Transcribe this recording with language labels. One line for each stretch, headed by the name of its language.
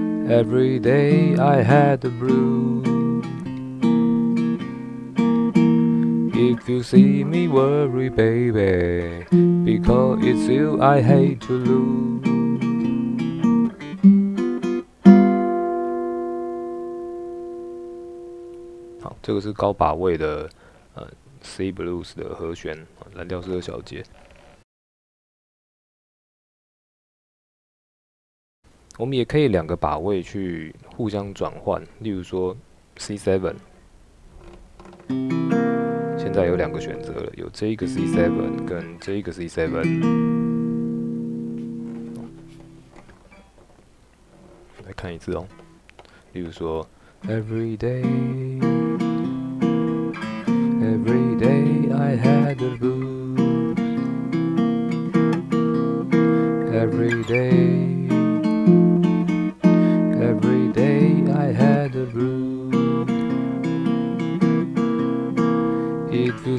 English: Every day I had a bluesIf you see me worry, baby, because it's you I hate to lose.
Chinese: 好，这个是高把位的C Blues 的和弦，蓝调四个小节。我们也可以两个把位去互相转换，例如说 C7。现在有两个选择了，有这个 C7 跟这个 C7。来看一次哦，例如说
English: Every day I had a blues. Every day I had a blues. If you